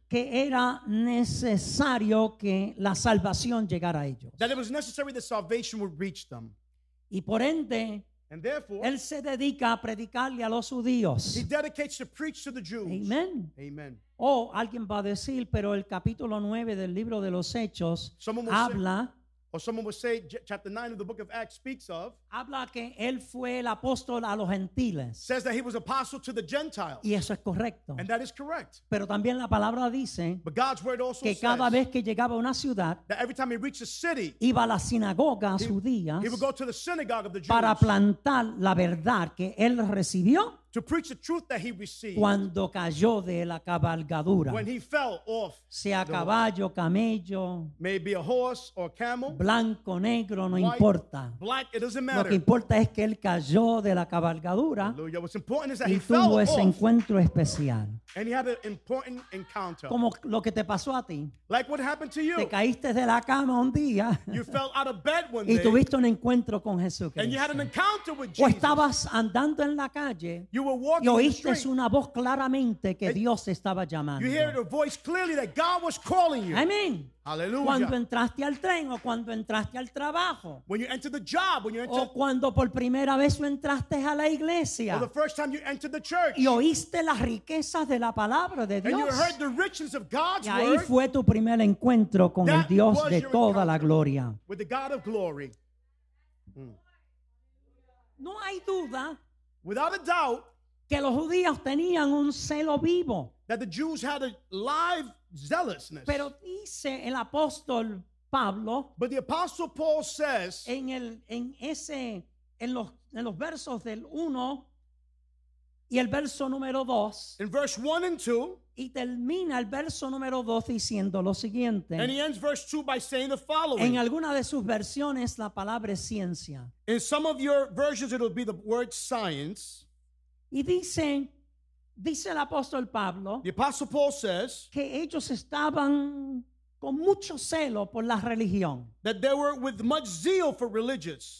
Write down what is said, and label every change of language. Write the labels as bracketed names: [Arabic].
[Spanish] que era necesario que la salvación llegara a ellos, [English] that it was necessary that salvation would reach them. [Spanish] Y por ende, [English] and therefore, [Spanish] él se dedica a predicarle a los judíos. [English] He dedicates to preach to the Jews. [Spanish] Amen. [English] Amen. [Spanish] O alguien va a decir, pero el capítulo 9 del libro de los Hechos habla, [English] or someone would say chapter 9 of the book of Acts speaks of, [Spanish] habla que él fue el apóstol a los gentiles, [English] says that he was apostle to the Gentiles. [Spanish] Y eso es correcto. [English] And that is correct. [Spanish] Pero también la palabra dice, [English] but God's word also [Spanish] que [English] says [Spanish] cada vez que llegaba a una ciudad, [English] that every time he reached a city, [Spanish] iba a las sinagogas judías, [English] he would go to the synagogue of the Jews, [Spanish] para plantar la verdad que él recibió, [English] to preach the truth that he received, [Spanish] cuando cayó de la cabalgadura, [English] when he fell off, [Spanish] sea caballo, camello, [English] maybe a horse or a camel, [Spanish] blanco, negro, no importa, [English] black, it doesn't matter. [Spanish] Lo que importa es que él cayó de la cabalgadura. [English] Hallelujah. What's important is that [Spanish] y [English] he fell [Spanish] ese [English] off, [Spanish] encuentro especial, [English] and he had an important encounter, [Spanish] como lo que te pasó a ti, [English] like what happened to you. [Spanish] Te caíste de la cama un día, [English] you fell out of bed one [Spanish] y tuviste un encuentro con Jesucristo, [English] and you had an encounter with Jesus. [Spanish] O estabas andando en la calle, [English] you were walking, [Spanish] y oíste [English] the street, [Spanish] una voz claramente que Dios estaba llamando. [English] You heard a voice clearly that God was calling you. [Spanish] Amen. [English] Hallelujah. [Spanish] Cuando entraste al tren o cuando entraste al trabajo, [English] when you entered the job, when you entered, [Spanish] o cuando por primera vez entraste a la iglesia, [English] or the first time you entered the church, [Spanish] y oíste las riquezas de la palabra de Dios, [English] and you heard the riches of God's [Spanish] y ahí [English] word, [Spanish] fue tu primer encuentro con el Dios de toda la gloria, [English] with the God of glory. [Spanish] No hay duda, [English] without a doubt, [Spanish] que los judíos tenían un celo vivo, [English] that the Jews had a live zealousness. [Spanish] Pero dice el apóstol Pablo, [English] but the apostle Paul says, [Spanish] en los versos del 1 y el verso número 2, [English] in verse 1 and 2, [Spanish] y termina el verso número 2 diciendo lo siguiente. [English] And he ends verse 2 by saying the following. [Spanish] En alguna de sus versiones la palabra es ciencia. [English] In some of your versions it'll be the word science. [Spanish] Y dice el apóstol Pablo, [English] the apostle Paul says, [Spanish] que ellos estaban con mucho celo por la religión, [English] that they were with much zeal for religious,